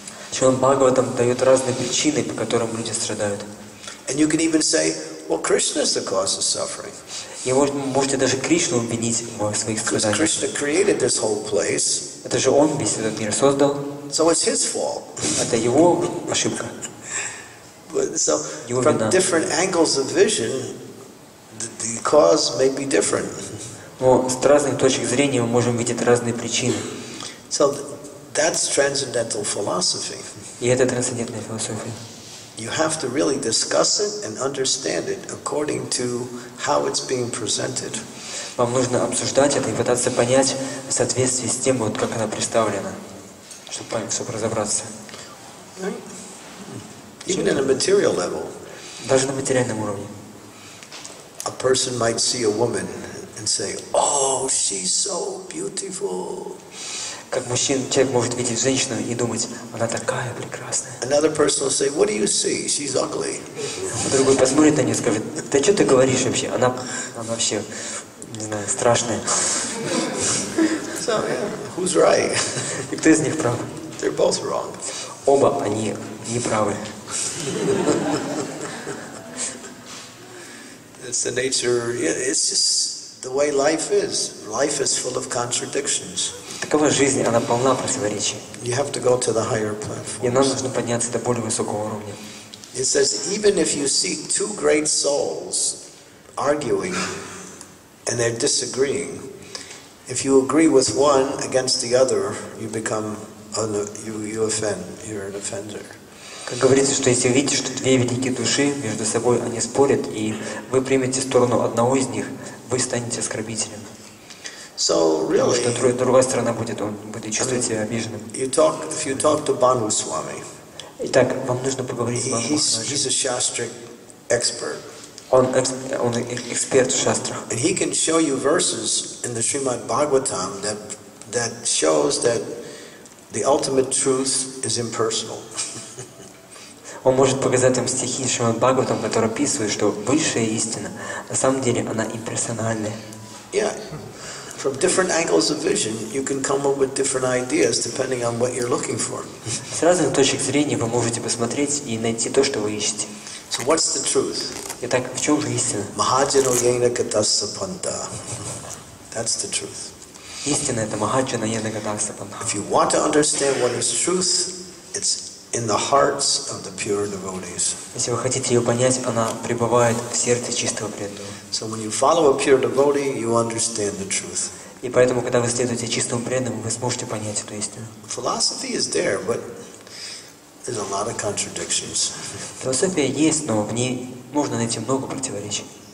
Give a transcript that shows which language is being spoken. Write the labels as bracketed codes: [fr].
[ru] Чем Бхагаватам дает разные причины, по которым люди страдают. [en] And you can even say, well, Krishna is the cause of suffering. [ru] И вы можете даже Кришну обвинить в своих страданиях. [en] Krishna created this whole place. [ru] Это же он весь этот мир создал. [en] So it's his fault. [ru] Это его ошибка. [en] So from different angles of vision, the cause may be different. [ru] Но с разных точек зрения мы можем видеть разные причины. [en] So that's transcendental philosophy. [ru] И это трансцендентная философия. [en] You have to really discuss it and understand it according to how it's being presented. [ru] Вам нужно обсуждать это и пытаться понять в соответствии с тем, вот как она представлена, чтобы понять, чтобы разобраться. [en] Even on a material level. [ru] Даже на материальном уровне. [en] A person might see a woman and say, "Oh, she's so beautiful." [ru] Как мужчина, человек может видеть женщину и думать, она такая прекрасная. [en] Another person will say, "What do you see? She's ugly." [ru] Другой посмотрит на нее и скажет, "Ты что ты говоришь вообще? Она вообще, не знаю, страшная." [en] So, yeah, who's right? [ru] И кто из них прав? [en] They're both wrong. [ru] Оба они не правы. [en] It's the nature. Yeah, it's just the way life is. Life is full of contradictions. [ru] Такова жизнь, она полна противоречий. [en] You have to go to the higher platform. [ru] И нам нужно подняться до более высокого уровня. [en] It says, even if you see two great souls arguing and they're disagreeing, if you agree with one against the other, you become you offend. You're an offender. [ru] Как говорится, что если видите, что две великие души между собой они спорят, и вы примете сторону одного из них, вы станете оскорбителем. So really, что другая сторона будет, он будет чувствовать себя обиженным. [en] If you talk to Bhanu Swami, [ru] итак, вам нужно поговорить с Бхану Махараджи. [en] He's a shastric expert. [ru] Он эксперт в шастрах. [en] And he can show you verses in the Srimad Bhagavatam that shows that the ultimate truth is impersonal. [ru] Он может показать вам стихи Шримад Бхагаватам, которые описывают, что высшая истина на самом деле она имперсональная. [en] Yeah. From different angles of vision, you can come up with different ideas depending on what you're looking for. [ru] С разных точек зрения вы можете посмотреть и найти то, что вы ищете. [en] So what's the truth? [ru] Итак, в чем же истина? [sa] Mahajano yena katasapanta. [en] That's the truth. [ru] Истина это Махаджана Йогадасапана. [en] If you want to understand what is truth, it's in the hearts of the pure devotees. [ru] Если вы хотите ее понять, она пребывает в сердце чистого преданного. [en] So when you follow a pure devotee, you understand the truth. [ru] И поэтому, когда вы следуете чистому преданному, вы сможете понять эту истину. [en] Philosophy is there, but there's a lot of contradictions. [ru] Философия есть, но в ней можно найти много противоречий.